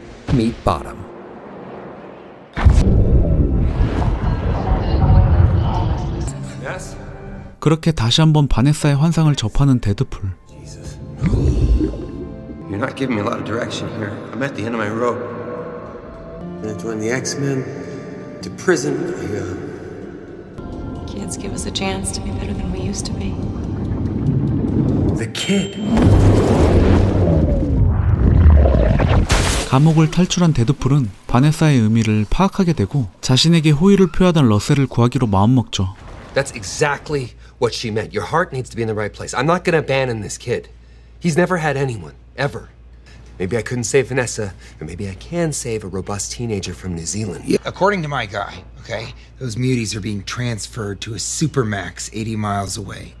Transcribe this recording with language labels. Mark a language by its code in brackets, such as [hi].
[en] Meet bottom. [ko] 그렇게 다시 한번 바네사의 환상을 접하는 데드풀. [en] You're not giving me a lot of direction here. I'm at the end of my rope. I'm gonna join the X-Men to prison. Kids give us a chance to be better than we used to be. The kid. [ko] 감옥을 탈출한 데드풀은 바네사의 의미를 파악하게 되고 자신에게 호의를 표하던 러셀을 구하기로 마음먹죠. [en] That's exactly what she meant. Your heart needs to be in the right place. I'm not gonna abandon this kid. He's never had anyone, ever. Maybe I couldn't save Vanessa, but maybe I can save a robust teenager from New Zealand. Yeah. According to my guy, okay, those muties are being transferred to a supermax 80 miles away.